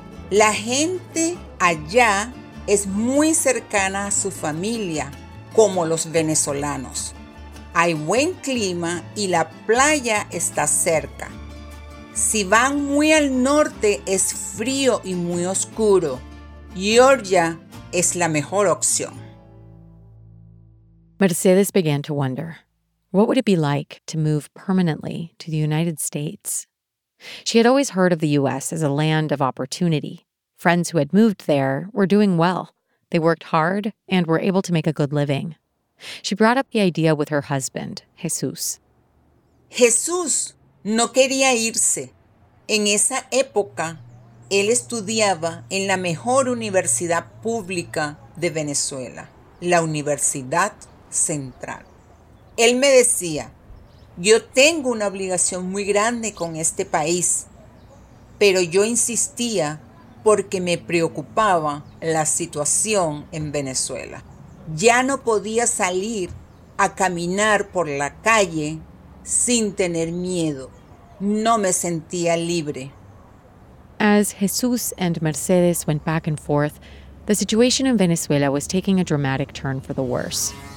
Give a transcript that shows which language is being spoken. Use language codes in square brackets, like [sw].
[es] La gente allá es muy cercana a su familia, como los venezolanos. Hay buen clima y la playa está cerca. Si van muy al norte, es frío y muy oscuro. Georgia es la mejor opción. [en] Mercedes began to wonder, what would it be like to move permanently to the United States? She had always heard of the U.S. as a land of opportunity. Friends who had moved there were doing well. They worked hard and were able to make a good living. She brought up the idea with her husband, Jesús. [es] Jesús no quería irse. En esa época, él estudiaba en la mejor universidad pública de Venezuela, la Universidad Central. Él me decía, yo tengo una obligación muy grande con este país, pero yo insistía porque me preocupaba la situación en Venezuela. Ya no podía salir a caminar por la calle sin tener miedo. No me sentía libre. [en] As Jesús and Mercedes went back and forth, the situation in Venezuela was taking a dramatic turn for the worse.